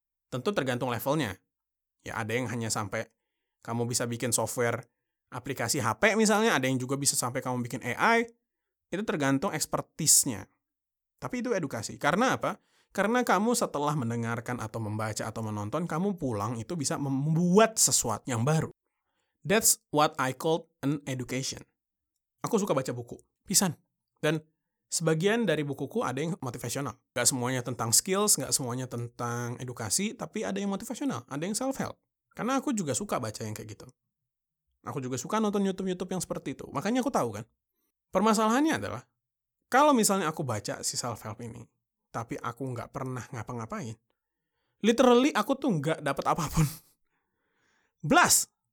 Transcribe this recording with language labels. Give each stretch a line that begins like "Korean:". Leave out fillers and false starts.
Indonesian: Tentu tergantung levelnya. Ya ada yang hanya sampai kamu bisa bikin software aplikasi HP misalnya, ada yang juga bisa sampai kamu bikin AI, itu tergantung ekspertisnya. Tapi itu edukasi. Karena apa? Karena kamu setelah mendengarkan atau membaca atau menonton, kamu pulang itu bisa membuat sesuatu yang baru.
English: That's what I called an education.
Indonesian: Aku suka baca buku. Pisan. Dan sebagian dari bukuku ada yang motivational. Gak semuanya tentang skills, gak semuanya tentang edukasi, tapi ada yang motivational, ada yang self-help. Karena aku juga suka baca yang kayak gitu. Aku juga suka nonton YouTube-YouTube yang seperti itu. Makanya aku tahu kan. Permasalahannya adalah, kalau misalnya aku baca si self-help ini, tapi aku gak pernah ngapa-ngapain, literally aku tuh gak dapat apapun. Blast.